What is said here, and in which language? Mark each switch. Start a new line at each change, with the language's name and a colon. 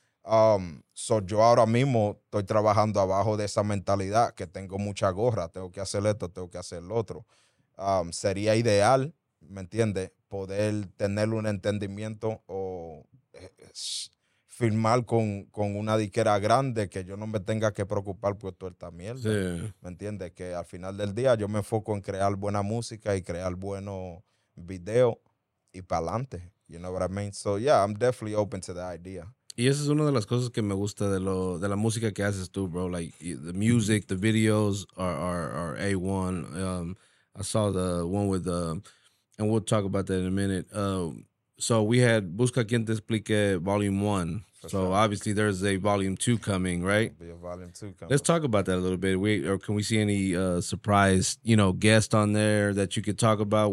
Spanish: So yo ahora mismo estoy trabajando abajo de esa mentalidad que tengo mucha gorra, tengo que hacer esto, tengo que hacer lo otro. Sería ideal, ¿me entiende? Poder tener un entendimiento o firmar con una disquera grande que yo no me tenga que preocupar por toda esta mierda. Sí. ¿Me entiende? Que al final del día yo me enfoco en crear buena música y crear buenos videos y para adelante.
English: You know what I mean? So yeah, I'm definitely open to the idea.
Spanish: Y esa es una de las cosas que me gusta de la música que haces tú, bro.
English: Like, the music, the videos are A1. I saw the one with the, and we'll talk about that in a minute. So we had Busca Quien Te Explique Volume 1. Obviously there's a Volume 2 coming, right? Be a Volume 2 coming. Let's talk about that a little bit. Can we see any surprise, you know, guest on there that you could talk about?